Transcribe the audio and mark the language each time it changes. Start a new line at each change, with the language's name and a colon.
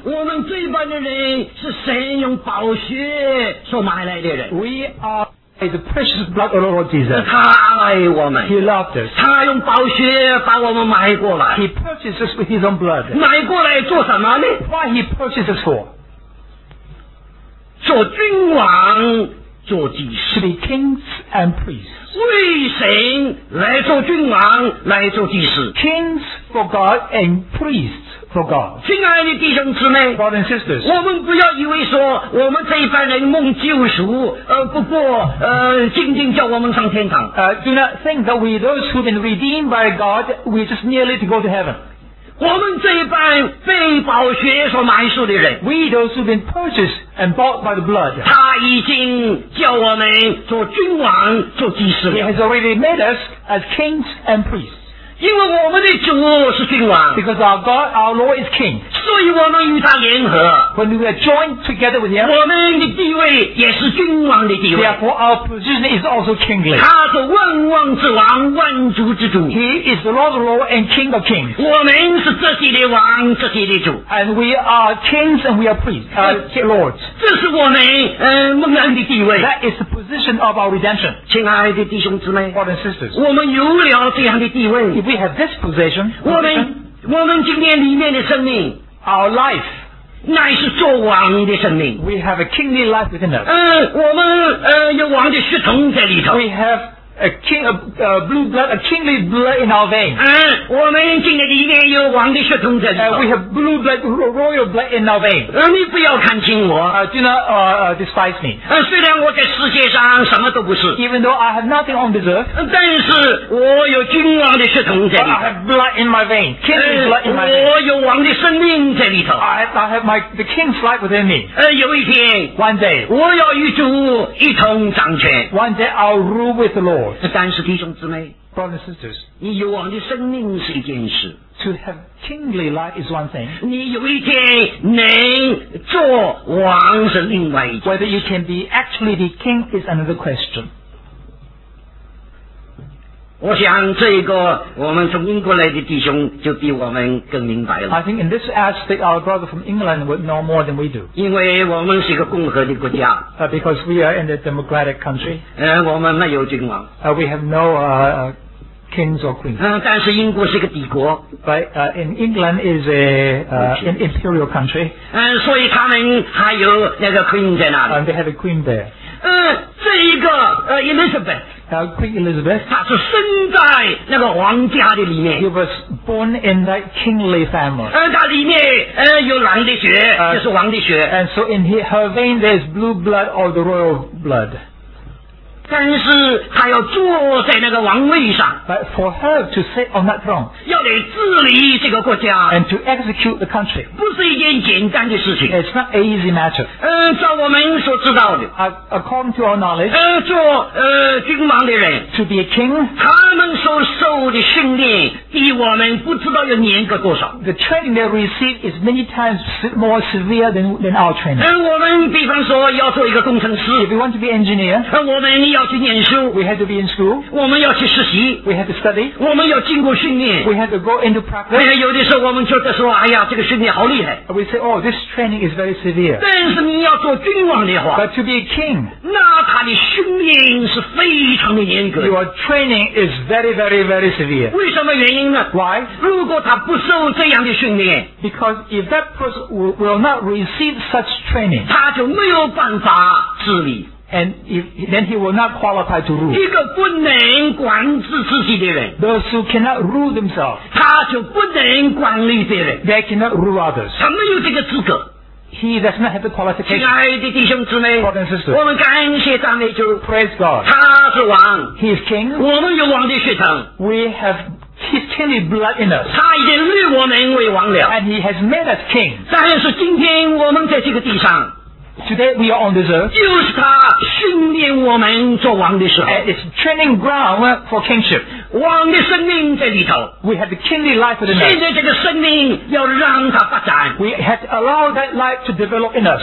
Chinese: 我们罪般的人是神用宝血所买来的人
English: we are by the precious blood of the Lord Jesus
Chinese: 他爱我们
English: he loved us
Chinese: 他用宝血把我们买过来
English: he purchased us with his own blood
Chinese: 买过来做什么呢
English: why he purchased us for
Chinese: 做君王做祭司
English: to be kings and priests
Chinese: 为神来做君王来做祭司
English: kings for God and priests for God
Chinese: 亲爱的弟兄姊妹
English: brothers and sisters
Chinese: 我们不要以为说我们这一般人梦救赎不过静静叫我们上天堂
English: do not think that we those who have been redeemed by God we just nearly to go to heaven
Chinese: 我们这一般被宝血所买赎的人
English: we those who have been purchased and bought by the blood
Chinese: 他已经叫我们做君王做祭司
English: he has already made us as kings and priests
Chinese: 因为我们的主是君王
English: because our God our Lord is king
Chinese: 所以我们与他联合
English: when we are joined together with him
Chinese: 我们的地位也是君王的地位
English: therefore our position is also kingly
Chinese: 他是万王之王万族之主
English: he is the Lord of Lords and king of kings
Chinese: 我们是这些的王这些的主
English: and we are kings and we are priests lords
Chinese: 这是我们蒙恩的地位
English: that is the position of our redemption
Chinese: 亲爱的弟兄姊妹
English: brothers and sisters
Chinese: 我们有了这样的地位
English: If we have this possession,
Chinese: 我们今天里面的生命
English: our life,
Chinese: 乃是做王的生命
English: we have a kingly life within us.
Chinese: 我们有王的血统在里头
English: we have a king, a blue blood, a kingly blood in our veins.
Chinese: 我们今天里面有王的血统在里头
English: we have blue blood, royal blood in our veins.
Chinese: 你不要看轻我
English: do not despise me.
Chinese: 虽然我在世界上什么都不是
English: even though I have nothing on this earth,
Chinese: 但是我有君王的血统在里头
English: I have blood in my veins, kingly blood in my veins.
Chinese: 我有王的生命在里头
English: I have the king's life within me.
Chinese: 有一天
English: one day,
Chinese: 我要与主一同掌权
English: one day I'll rule with the Lord.
Chinese: 但是弟兄姊妹
English: Brothers and sisters
Chinese: 你有王的生命是一件事
English: To have kingly life is one thing
Chinese: 你有一天能做王是另外一件事
English: Whether you can be actually the king is another question
Chinese: 我想这一个我们从英国来的弟兄就比我们更明白了
English: I think in this aspect our brother from England would know more than we do
Chinese: 因为我们是一个共和的国家
English: Because we are in a democratic country
Chinese: 我们没有君王
English: We have no kings or queens
Chinese: 但是英国是一个帝国
English: But in England is an imperial country
Chinese: 所以他们还有那个 queen 在那里
English: And they have a queen there
Chinese: 这一个 Elizabeth
English: Queen Elizabeth
Chinese: 她是生在那个皇家的里面
English: He was born in that kingly family
Chinese: 她里面有狼的血就是王的血
English: And so in her vein there is blue blood of the royal blood
Chinese: 但是她要坐在那个王位上
English: But for her to sit on that throne
Chinese: 要来治理这个国家
English: And to execute the country
Chinese: 不是一件简单的事情
English: It's not an easy matter
Chinese: 照我们所知道的
English: According to our knowledge
Chinese: 君王的人
English: to be a king
Chinese: 他们所受的训练比我们不知道要严格多少
English: the training they receive is many times more severe than our training
Chinese: 我们比方说要做一个工程师
English: if we want to be engineer
Chinese: 我们要去念书
English: we had to be in school
Chinese: 我们要去实习
English: we had to study
Chinese: 我们要经过训练
English: we had to go into practice
Chinese: 有的时候我们觉得说哎呀这个训练好厉害
English: we say oh this training is very severe
Chinese: 但是你要做君王的话
English: but to be a king
Chinese: 那他的训练是非常的严格
English: Your training is very very very severe
Chinese: 为什么原因呢
English: Why?
Chinese: 如果他不受这样的训练
English: Because if that person will not receive such training
Chinese: 他就没有办法治理
English: And if, then he will not qualify to rule.
Chinese: 一个不能管制自己的人。
English: Those who cannot rule themselves.
Chinese: 他就不能管理别人。
English: They cannot rule others.
Chinese: 他没有这个资格。
English: He does not have the qualification.
Chinese: 亲爱的弟兄姊妹。
English: Brothers and sisters.
Chinese: 我们感谢赞美主。
English: Praise God.
Chinese: 他是王。
English: He is king.
Chinese: 我们有王的血统。
English: We have his kingly blood in us.
Chinese: 他已经立我们为王了。
English: And he has made us king.
Chinese: 但是今天我们在这个地上。
English: Today we are on this earth.
Chinese: 就是他训练我们做王的时候。
English: It's training ground for kingship.
Chinese: 王的生命在里头。
English: We have the kingly life within us.
Chinese: 现在这个生命要让它发展。
English: We have to allow that life to develop in us.